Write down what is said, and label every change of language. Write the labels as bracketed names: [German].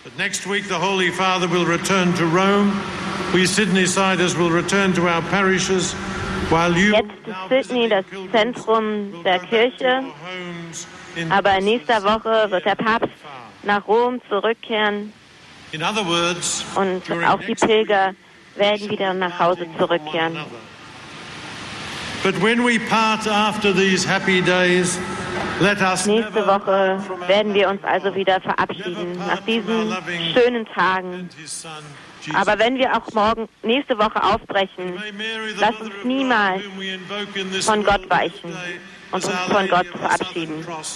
[English] But next week the Holy Father will return to Rome. We Sydneysiders will return to our parishes. [German] Jetzt ist Sydney das Zentrum der Kirche, aber in nächster Woche wird der Papst nach Rom zurückkehren und auch die Pilger werden wieder nach Hause zurückkehren. [English] But when we part after these happy days, let us [German] nächste Woche werden wir uns also wieder verabschieden nach diesen schönen Tagen. Aber wenn wir auch morgen nächste Woche aufbrechen, lass uns niemals von Gott weichen und uns von Gott verabschieden.